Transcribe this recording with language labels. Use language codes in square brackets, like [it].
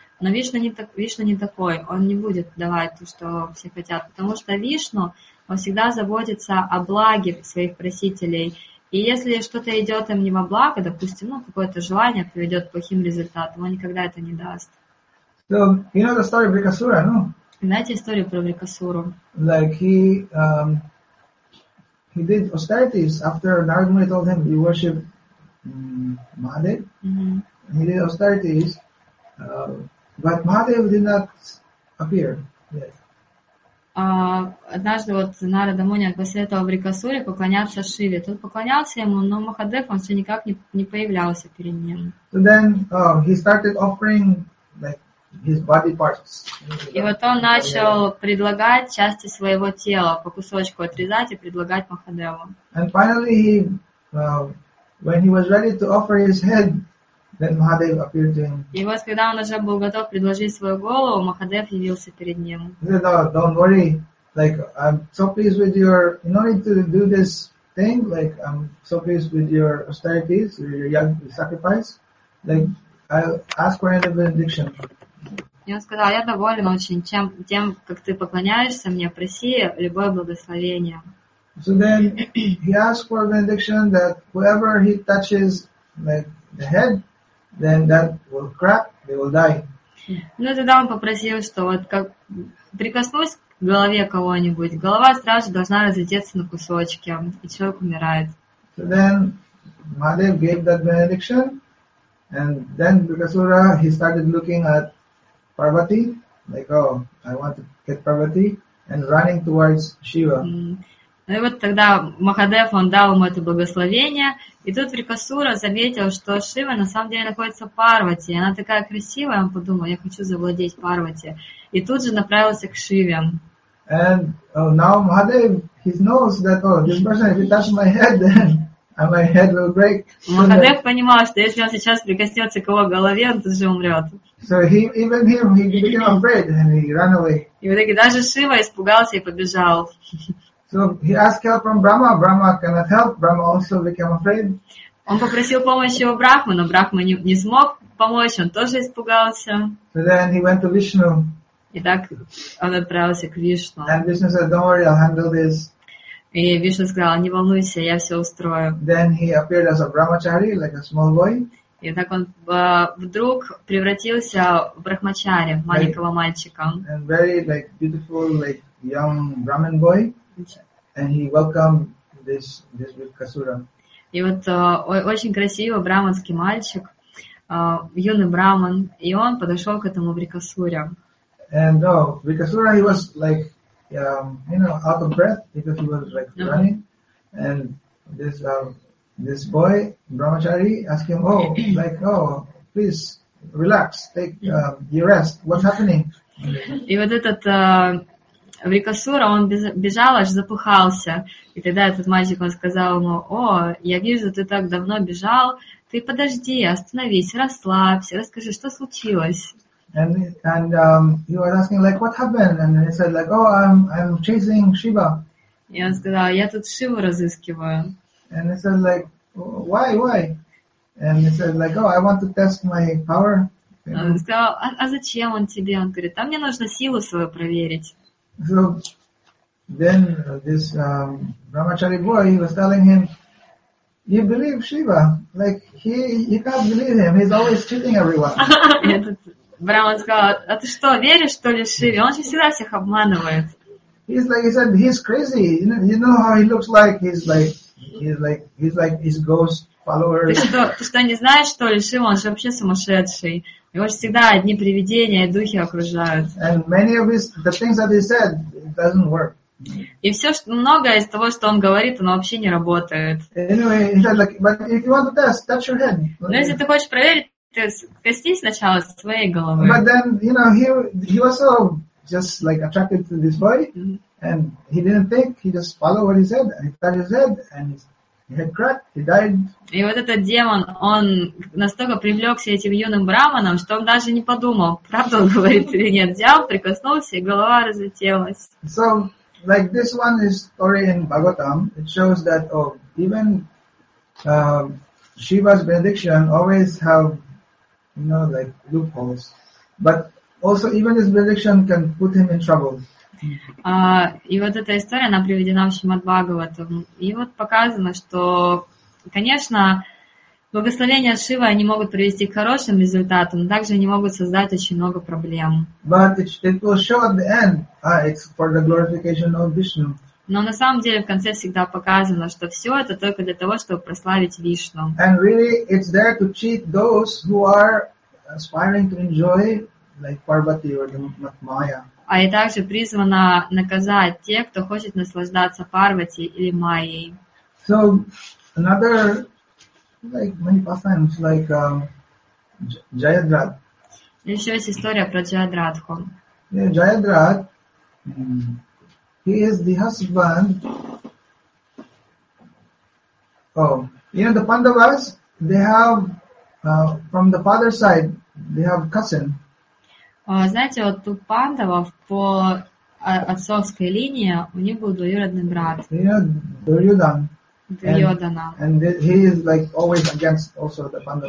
[ru] Но Вишна не такой. Он не будет давать то, что все хотят. Потому что Вишну, он всегда заботится о благе своих просителей. И если что-то идет им не во благо, допустим, ну, какое-то желание приведет к плохим результатам, он никогда это не даст. [en] So, you know the story of Vrikasura, no? [ru] Знаете историю про Врикасуру? [en] Like he did austerities after Narad Muni told him you worship Mahadev. Mm-hmm. He did austerities, but Mahadev did not appear yet. [ru] Однажды вот Нарада Муни посоветовал Врикасуре поклоняться Шиве. Тот поклонялся ему, но Махадев он все никак не появлялся перед ним. [en] So then he started offering like his body parts. [ru] И вот он начал предлагать части своего тела по кусочку отрезать и предлагать Махадеву. [en] And finally, he, when he was ready to offer his head, then Mahadev appeared to him. [ru] И вот когда он уже был готов предложить свою голову, Махадев явился перед ним. [en] He said, oh, don't worry. Like, I'm so pleased with your, in order to do this thing, like, I'm so pleased with your austerities, your young sacrifice. Like, I'll ask for any benediction. [ru] И он сказал, я доволен очень тем, как ты поклоняешься мне, проси любое благословение. [en] So then he asked for a benediction that whoever he touches, like, the head, then that will crack, they will die. [ru] Ну, тогда он попросил, что вот как прикоснусь к голове кого-нибудь, голова сразу же должна разлететься на кусочки, и человек умирает. [en] So then Mahadev gave that benediction, and then Vrikasura, he started looking at Parvati, like, oh, I want to get Parvati, and running towards Shiva. Mm-hmm. [ru] Ну и вот тогда Махадев, он дал ему это благословение, и тут Врикасура заметил, что Шива на самом деле находится в Парвати, и она такая красивая, он подумал, я хочу завладеть Парвати. И тут же направился к Шиве. [en] And now Mahadev, he knows that, oh, this person, if he touches my head, then my head will break. [ru] Махадев понимал, что если он сейчас прикоснется к его голове, он тут же умрет. [en] So he, even him, he became afraid and he ran away. [ru] И в итоге даже Шива испугался и побежал. [en] So he asked help from Brahma. Brahma cannot help. Brahma also became afraid. [ru] Он попросил помощи у Брахмы, но Брахма не смог помочь. Он тоже испугался. [en] So then he went to Vishnu. [ru] И так он отправился к Вишну. [en] And Vishnu said, "Don't worry, I'll handle this." [ru] И Вишна сказал, "Не волнуйся, я все устрою." [en] Then he appeared as a brahmachari, like a small boy. [ru] И так он вдруг превратился в брахмачари, маленького мальчика. [en] And very like beautiful like young Brahmin boy. And he welcomed this Vrikasura. [ru] И вот очень красивый браманский мальчик, юный браман, и он подошел к этому Врикасуре. [en] And no, Vrikasura, he was like, you know, out of breath because he was like running. Mm-hmm. And this boy, Brahmachari, asked him, oh, like, oh, please relax, take your rest. What's happening? [ru] И вот этот Врикасура, он бежал, аж запыхался. И тогда этот мальчик, он сказал ему, о, я вижу, ты так давно бежал, ты подожди, остановись, расслабься, расскажи, что случилось. [en] And he was asking like, what happened? And he said like, oh, I'm chasing Shiva. [uk] І він сказав, я тут Шиву розіскиваю. [en] And he said like, why? And he said like, oh, I want to test my power. [uk] Він сказав, [ru] а зачем он тебе? Он говорит, там мне нужно силу свою проверить. [en] So then this Brahmachari boy, he was telling him, you believe Shiva? Like, you can't believe him. He's always cheating everyone. [ru] Браман сказал, а ты что, веришь, что ли, Шиве? Он же всегда всех обманывает. [en] He's like, he said, he's crazy. You know how he looks like? He's like his ghost follower. [ru] Ты что, не знаешь, что ли, Шива? Он же вообще сумасшедший. Его же всегда одни привидения и духи окружают. [en] And many of the things that he said, it doesn't work. [ru] И все, что, многое из того, что он говорит, оно вообще не работает. [en] Anyway, he said, like, but if you want to test, touch your head. [ru] Но если ты хочешь проверить, коснись сначала своей головы. [en] But then, you know, he was so just like attracted to this boy, and he didn't think, he just followed what he said, and he touched his head, and he had cracked, he died. [ru] И вот этот демон, он настолько привлекся этим юным браманом, что он даже не подумал, правда он говорит или нет, взял, прикоснулся, и голова разлетелась. [en] So, like this one is story in Bhagavatam. It shows that, oh, even Shiva's benediction always have, you know, like loopholes. But also even his benediction can put him in trouble. [ru] И вот эта история, она приведена в Шримад-Бхагаватам. И вот показано, что, конечно, благословения Шивы, они могут привести к хорошим результатам, но также они могут создать очень много проблем. [en] But it will show at the end, it's for the glorification of Vishnu. [ru] Но на самом деле в конце всегда показано, что все это только для того, чтобы прославить Вишну. [en] And really, it's there to cheat those who are aspiring to enjoy, like Parvati or Maya. [ru] А и также призвано наказать тех, кто хочет наслаждаться Парвати или Майей. [en] So another, like many pastimes, like Jayadrat. [ru] Еще есть история про Джаядратху. [en] Yeah, Джаядрат. He is the husband. Oh, you know the Pandavas, they have from the father's side, they have cousin. [ru] Знаете, вот у Пандавов по отцовской линии у них был двоюродный брат. [en] Yeah, Дурьодан. [ru] Дурьодана. [en] And he is like always against also the Pandavas.